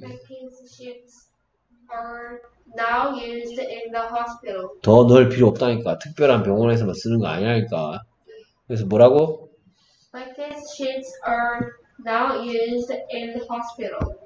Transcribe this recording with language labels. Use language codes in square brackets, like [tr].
[en] Beckett's sheets are now used in the hospital. [ko] 더 넣을 필요 없다니까. 특별한 병원에서만 쓰는 거 아니라니까. 그래서 뭐라고? [en] Beckett's sheets are now used in the hospital.